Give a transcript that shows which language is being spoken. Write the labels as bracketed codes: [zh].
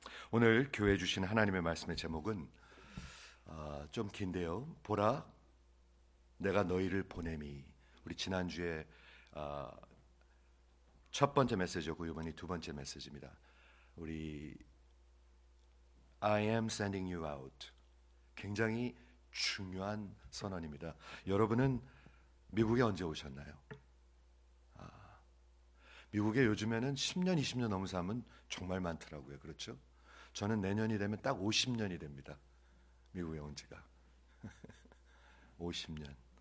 [ko] 오늘 교회 주신 하나님의 말씀의 제목은 좀 긴데요. 보라, 내가 너희를 보냄이. 우리 지난주에 첫 번째 메시지고 이번이 두 번째 메시지입니다. [en] 우리 I am sending you out. [ko] 굉장히 중요한 선언입니다. 여러분은 미국에 언제 오셨나요? 미국에 요즘에는 10년, 20년 넘은 사람은 정말 많더라고요. 그렇죠? 저는 내년이 되면 딱 50년이 됩니다. 미국에 온 지가. 50년.